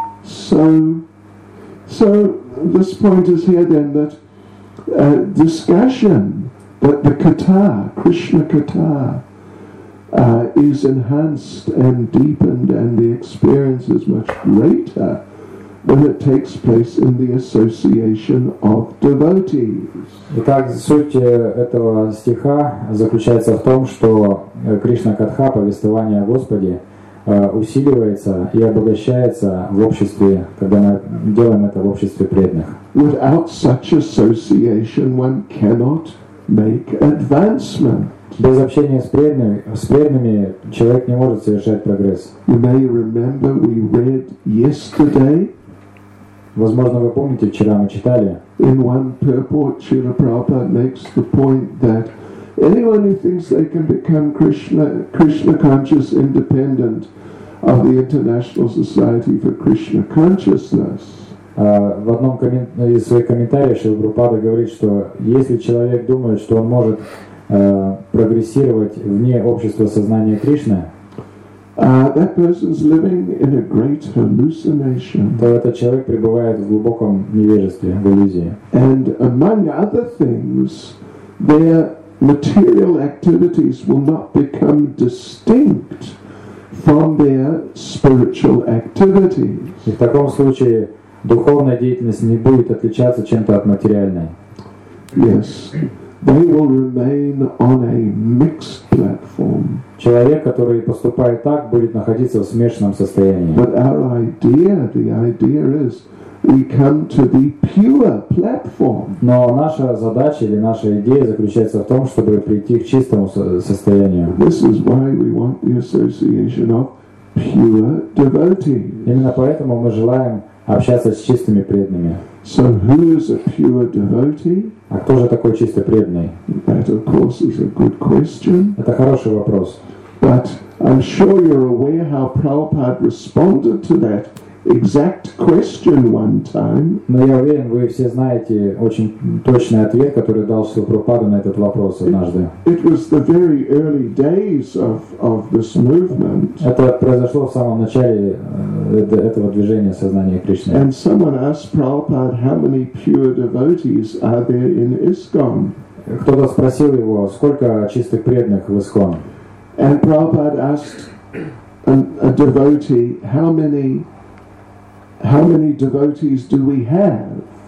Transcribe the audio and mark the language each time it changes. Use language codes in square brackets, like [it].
[en] So this point is here then that discussion that the katha, Krishna katha, is enhanced and deepened and the experience is much greater when it takes place in the association of devotees. [ru] Итак, суть этого стиха заключается в том, что Кришна-катха, повествование о Господе, усиливается и обогащается в обществе, когда мы делаем это в обществе преданных. [en] Without such association one cannot make advancement. [ru] Без общения с преданными человек не может совершать прогресс. [en] You may remember we read yesterday. [ru] Возможно, вы помните, вчера мы читали. [en] In one purport, Srila Prabhupada makes the point that anyone who thinks they can become Krishna conscious independent of the International Society for Krishna Consciousness. [ru] В одном из своих комментариев Шрила Прабхупада говорит, что если человек думает, что он может прогрессировать вне общества сознания Кришны, [en] That person is living in a great hallucination. [ru] То этот человек пребывает в глубоком невежестве, в иллюзии. [en] And among other things, their material activities will not become distinct from their spiritual activities. [ru] И в таком случае духовная деятельность не будет отличаться чем-то от материальной. [en] Yes. They will remain on a mixed platform. [ru] Человек, который поступает так, будет находиться в смешанном состоянии. [en] But our idea, the idea is, we come to the pure platform. [ru] Но наша задача или наша идея заключается в том, чтобы прийти к чистому состоянию. [en] This is why we want the association of pure devotees. [ru] Именно поэтому мы желаем общаться с чистыми преданными. [en] So who is a pure devotee? [ru] А кто же такой чисто преданный? [en] That of course is a good question. [ru] Это хороший вопрос. [en] But I'm sure you're aware how Prabhupada responded to that exact question one time. [ru] Но я уверен, вы все знаете очень точный ответ, который дал Шрила Прабхупада на этот вопрос однажды. [en] It was the very early days of this movement. [ru] Это произошло в самом начале этого движения сознания Кришны. [en] And someone asked Prabhupada, how many pure devotees are there in ISKCON? [ru] Кто-то спросил его, сколько чистых преданных в ISKCON? [en] And Prabhupada asked a devotee, how many devotees do we have?